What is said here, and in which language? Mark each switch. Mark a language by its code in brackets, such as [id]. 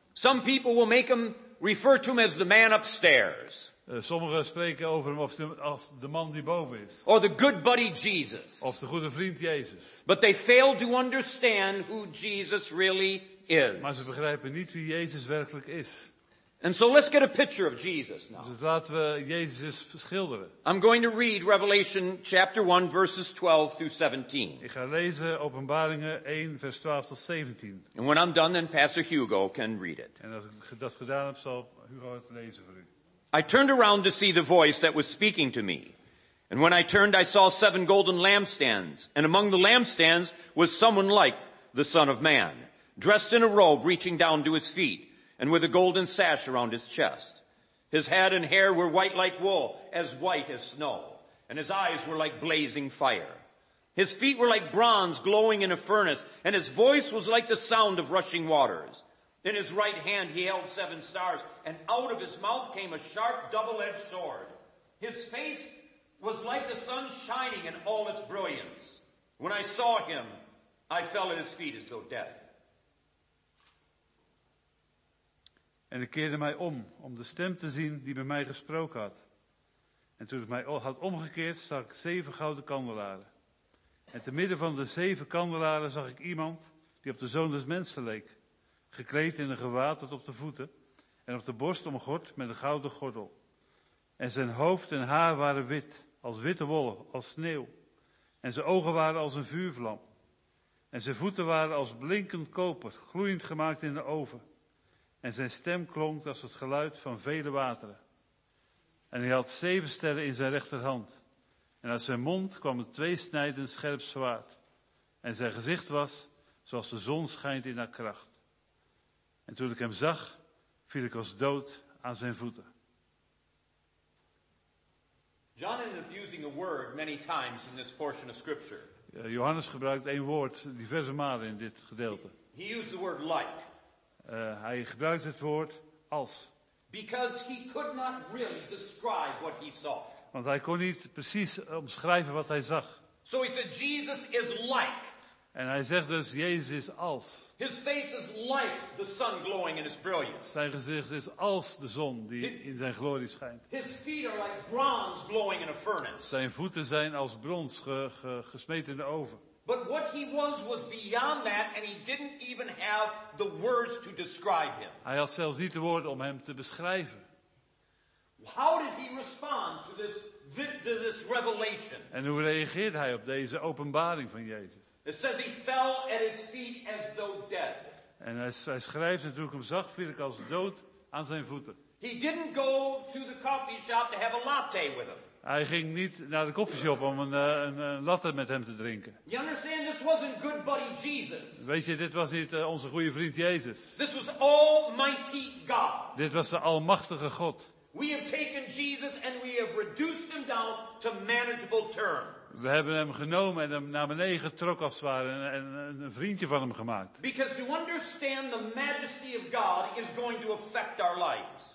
[en] Some people will make him refer to him as the man upstairs. [nl] Sommigen spreken over hem als de man die boven is. [en] Or the good buddy Jesus. [nl] Of de goede vriend Jezus. [en] But they fail to understand who Jesus really is. [nl] Maar ze begrijpen niet wie Jezus werkelijk is. [en] And so let's get a picture of Jesus now. [nl] Dus laten we Jezus schilderen. [en] I'm going to read Revelation chapter 1 verses 12 through 17. [nl] Ik ga lezen Openbaringen 1 vers 12 tot 17. [en] And when I'm done, then Pastor Hugo can read it. [nl] En als ik dat gedaan heb, zal Hugo het lezen voor u. [en] I turned around to see the voice that was speaking to me. And when I turned, I saw seven golden lampstands. And among the lampstands was someone like the Son of Man, dressed in a robe reaching down to his feet, and with a golden sash around his chest. His head and hair were white like wool, as white as snow, and his eyes were like blazing fire. His feet were like bronze glowing in a furnace, and his voice was like the sound of rushing waters. In his right hand he held seven stars, and out of his mouth came a sharp double-edged sword. His face was like the sun shining in all its brilliance. When I saw him, I fell at his feet as though dead. [nl] En ik keerde mij om de stem te zien die bij mij gesproken had. En toen ik mij had omgekeerd, zag ik zeven gouden kandelaren. En te midden van de zeven kandelaren zag ik iemand die op de Zoon des Mensen leek, gekleed in een gewaad tot op de voeten en op de borst omgord met een gouden gordel. En zijn hoofd en haar waren wit, als witte wol, als sneeuw. En zijn ogen waren als een vuurvlam. En zijn voeten waren als blinkend koper, gloeiend gemaakt in de oven. En zijn stem klonk als het geluid van vele wateren. En hij had zeven sterren in zijn rechterhand. En uit zijn mond kwam een tweesnijdend scherp zwaard. En zijn gezicht was zoals de zon schijnt in haar kracht. En toen ik hem zag, viel ik als dood aan zijn voeten. [en] John ended up using a word many times in this portion of scripture. [nl] Johannes gebruikt één woord diverse malen in dit gedeelte. [en] He used the word like. [nl] Hij gebruikt het woord als. [en] Because he could not really describe what he saw. [nl] Want hij kon niet precies omschrijven wat hij zag. [en] So he said, Jesus is like. [nl] En hij zegt dus, Jezus is als. [en] His face is like the sun glowing in his brilliance. [nl] Zijn gezicht is als de zon die in zijn glorie schijnt. [en] His feet are like bronze glowing in a furnace. [nl] Zijn voeten zijn als brons gesmeed in de oven. [en] But what he was beyond that, and he didn't even have the words to describe him. [nl] Hij had zelfs niet de woorden om hem te beschrijven. [en] How did he respond to this revelation? [nl] En hoe reageerde hij op deze openbaring van Jezus? [en] It says he fell at his feet as though dead. [nl] En hij schrijft, en toen ik hem zag, viel ik als dood aan zijn voeten. [en] He didn't go to the coffee shop to have a latte with him. [nl] Hij ging niet naar de koffieshop om een latte met hem te drinken. [en] You understand, this wasn't good buddy Jesus. [nl] Weet je, dit was niet onze goede vriend Jezus. [en] This was Almighty God. [nl] Dit was de almachtige God. [en] We have taken Jesus and we have reduced him down to manageable terms. [nl] We hebben hem genomen en hem naar beneden getrokken als het ware en een vriendje van hem gemaakt. [en] Because to understand the majesty of God is going to affect our lives.